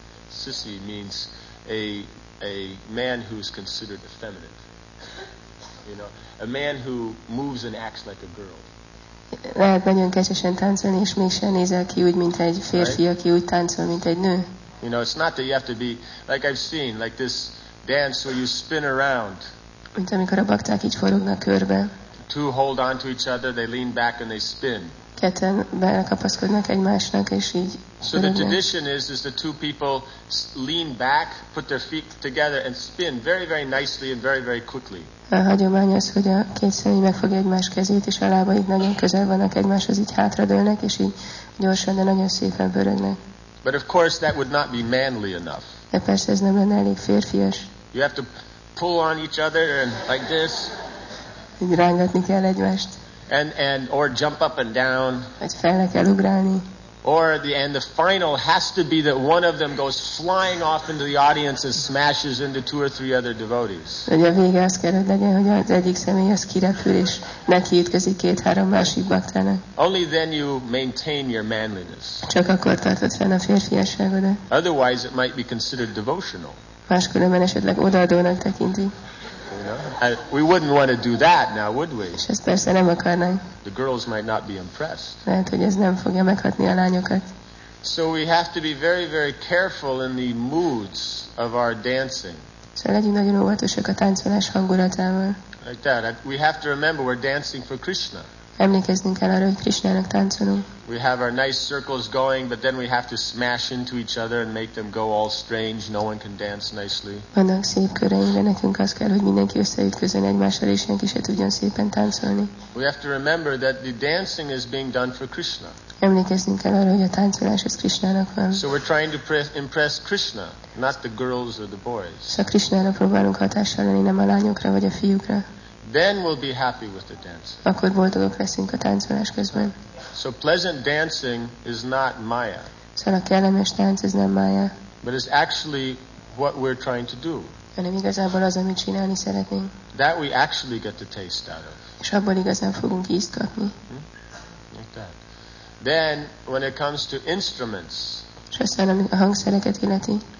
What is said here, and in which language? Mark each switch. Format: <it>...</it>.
<en>Sissy means a man who is considered effeminate. You know, a man who moves and acts like a girl.</en> <hu>Lehet nagyon kecsesen táncolni, és mégsem nézel ki úgy, mint egy férfi, aki úgy táncol, mint egy nő.</hu> <en>You know, it's not that you have to be, like I've seen, like this dance where you spin around.</en> <hu>Mint amikor a bakták így forognak körbe.</hu> <en>Two hold on to each other, they lean back and they spin.</en> <hu>Ketten belekapaszkodnak egymásnak, és így</hu> <en>so the tradition is the two people lean back, put their feet together and spin very, very nicely and very, very quickly.</en> <hu>A hagyomány az, hogy a két személy megfogja egymás kezét, és a lábaik nagyon közel vannak egymáshoz, így hátradőlnek, és így gyorsan, de nagyon szépen pörögnek.</hu> <en>But of course that would not be manly enough.</en> <hu>De persze ez nem lenne elég férfias.</hu> <en>You have to pull on each other and like this.</en> <hu>Rángatni kell egymást.</hu> <en>And or jump up and down.</en> <hu>Vagy felre kell ugrálni.</hu> <en>Or the final has to be that one of them goes flying off into the audience and smashes into two or three other devotees.</en> <hu>Vagy a vége az kell, hogy legyen, hogy az egyik személy az kirepül és nekiütközik két-három másik baktának.</hu> <en>Only then you maintain your manliness.</en> <hu>Csak akkor tartod fenn a férfiasságodat.</hu> <en>Otherwise it might be considered devotional.</en> <hu>Máskülönben esetleg odaadónak tekinti.</hu> <en>You know, we wouldn't want to do that now, would we?</en> <hu>És ezt persze nem akarnánk.</hu> <en>The girls might not be impressed.</en> <hu>Lehet, hogy ez nem fogja meghatni a lányokat.</hu> <en>So we have to be very, very careful in the moods of our dancing.</en> <hu>Szóval legyünk nagyon óvatosak a táncolás hangulatával.</hu> <en>Like that. We have to remember we're dancing for Krishna.</en> <hu>Emlékeznünk kell arra, hogy Krishnának táncolunk.</hu> <en>We have our nice circles going, but then we have to smash into each other and make them go all strange. No one can dance nicely.</en> <hu>Vannak szép köreink, de nekünk az kell, hogy mindenki összeütközön egymással, és senki se tudjon szépen táncolni.</hu> <en>We have to remember that the dancing is being done for Krishna.</en> <hu>Emlékeznünk kell arra, hogy a táncolás az Krishnának van.</hu> <en>So we're trying to impress Krishna, not the girls or the boys.</en> <hu>Szóval Krishnára próbálunk hatással lenni, nem a lányokra vagy a fiúkra.</hu> <en>Then we'll be happy with the dance.</en> <hu>Akkor boldogok leszünk a táncolás közben.</hu> <en>So pleasant dancing is not maya.</en> <hu>Szóval a kellemes tánc ez nem maya.</hu> <en>But it's actually what we're trying to do.</en> <hu>Hanem igazából az, amit csinálni szeretnénk.</hu> <en>That we actually get the taste out of.</en> <hu>És abból igazán fogunk ízt kapni.</hu> <en>Like that. Then when it comes to instruments.</en> <hu>És aztán, amit a hangszereket illeti.</hu>